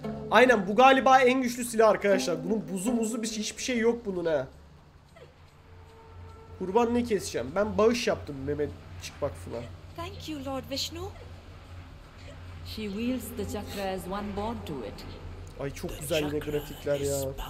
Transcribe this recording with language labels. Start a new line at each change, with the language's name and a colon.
Turkish: Aynen, bu galiba en güçlü silah arkadaşlar. Bunun buzu muzu bir şey, hiçbir şey yok bunun ha. Kurban ne keseceğim? Ben bağış yaptım Mehmet Çıkmak falan.
English: Thank you Lord Vishnu. She wields the chakra as one born to it.
Turkish: Ay çok güzel yine grafikler ya.